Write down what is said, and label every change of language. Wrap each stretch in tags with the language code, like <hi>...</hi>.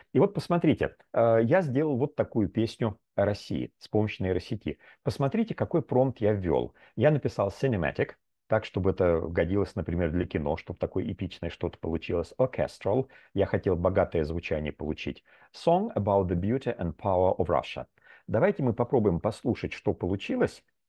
<ru>И вот посмотрите, я сделал вот такую песню о России с помощью нейросети. Посмотрите, какой промпт я ввел. Я написал cinematic, так, чтобы это годилось, например, для кино, чтобы такое эпичное что-то получилось. Orchestral, я хотел богатое звучание получить.</ru> <en>Song about the beauty and power of Russia.</en> <ru>Давайте мы попробуем послушать, что получилось.</ru>